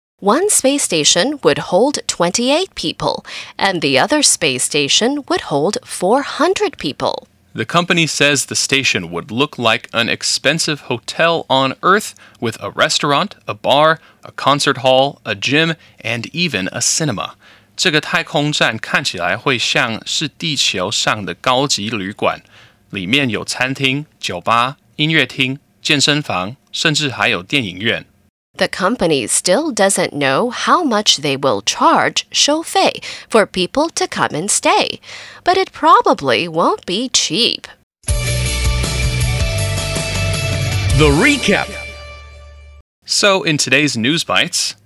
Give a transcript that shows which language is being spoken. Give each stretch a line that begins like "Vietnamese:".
English: One space station would hold 28 people, and the other space station would hold 400 people. The company says the station would look like an expensive hotel on Earth with a restaurant, a bar, a concert hall, a gym, and even a cinema.
Chinese: 这个太空站看起来会像是地球上的高级旅馆，里面有餐厅、酒吧、音乐厅、健身房，甚至还有电影院。
English: The company still doesn't know how much they will charge
Chinese: 收费
English: for people to come and stay, but it probably won't be cheap. The recap. So in today's news bites.